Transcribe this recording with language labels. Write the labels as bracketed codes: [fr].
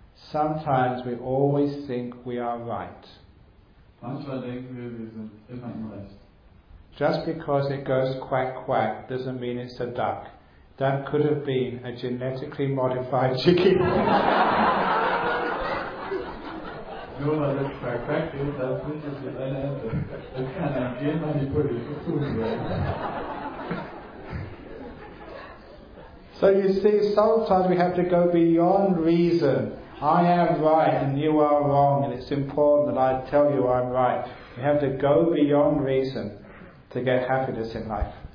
[en] Sometimes we always think we are right. [de] Manchmal denken wir, wir sind immer im Recht. [en] Just because it goes quack quack doesn't mean it's a duck. That could have been a genetically modified chicken. [de] Nur weil es quack quack geht, das nicht ist eine Ente. Es kann ein Gen manipuliert werden. [en] So you see, sometimes we have to go beyond reason. I am right and you are wrong, and it's important that I tell you I'm right. We have to go beyond reason to get happiness in life.